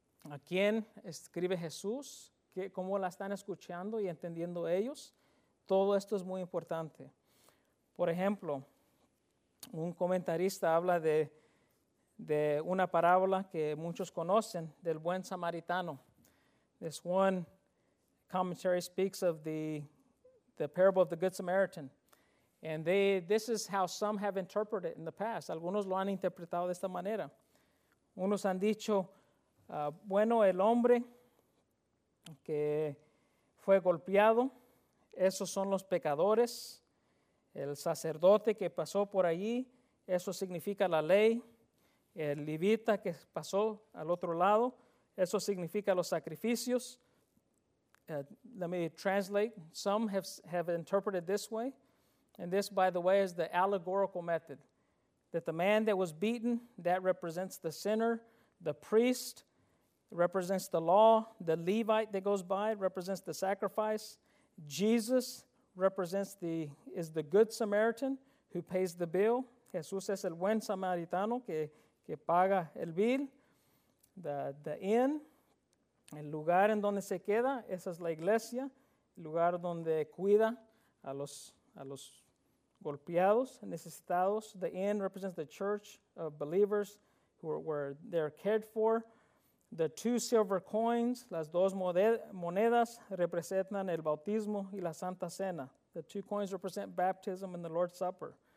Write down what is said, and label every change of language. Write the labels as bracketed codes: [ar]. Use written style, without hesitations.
[es] ¿A quién escribe Jesús? ¿Cómo la están escuchando y entendiendo ellos? Todo esto es muy importante. Por ejemplo, un comentarista habla de una parábola que muchos conocen, del buen samaritano. [en] This one commentary speaks of the parable of the Good Samaritan. And this is how some have interpreted it in the past. [es] Algunos lo han interpretado de esta manera. Unos han dicho, bueno, el hombre que fue golpeado, esos son los pecadores. El sacerdote que pasó por allí, eso significa la ley. El levita que pasó al otro lado, eso significa los sacrificios. [en] Let me translate. Some have interpreted this way. And this, by the way, is the allegorical method. That the man that was beaten, that represents the sinner. The priest represents the law. The Levite that goes by represents the sacrifice. Jesus represents is the good Samaritan who pays the bill. [es] Jesús es el buen samaritano que paga el bill. [en] The inn, [es] el lugar en donde se queda, esa es la iglesia. El lugar donde cuida a los golpeados, necesitados. [en] The inn represents the church of believers where they're cared for. The two silver coins, [es] las dos monedas, representan el bautismo y la Santa Cena. [en] The two coins represent baptism and the Lord's Supper.